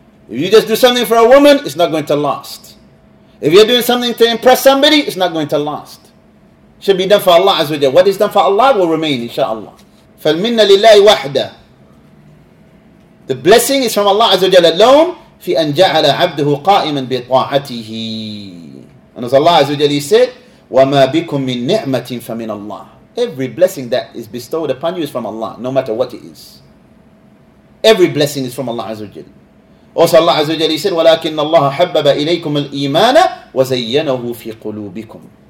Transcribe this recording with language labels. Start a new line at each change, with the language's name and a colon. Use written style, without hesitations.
English: If you just do something for a woman, it's not going to last. If you're doing something to impress somebody, it's not going to last. It should be done for Allah Azza wa Jalla. What is done for Allah will remain, inshaAllah.
Arabic: فَالْمِنَّ لِلَّهِ وَحْدًا.
English: The blessing is from Allah Azza wa Jalla alone.
Arabic: فِي أَنْ جَعَلَ عَبْدُهُ قَائِمًا بِطَاعَتِهِ.
English: And as Allah Azza wa Jalla said,
Arabic: وَمَا بِكُم مِّن نِعْمَةٍ فَمِنَ اللَّهِ.
English: Every blessing that is bestowed upon you is from Allah, no matter what it is. Every blessing is from Allah Azza wa Jalla. Also Allah Azza wa Jalla said,
Arabic: وَلَكِنَّ اللَّهَ حَبَّبَ إِلَيْكُمُ الْإِيمَانَ وَزَيَّنَهُ فِي قُلُوبِكُمْ.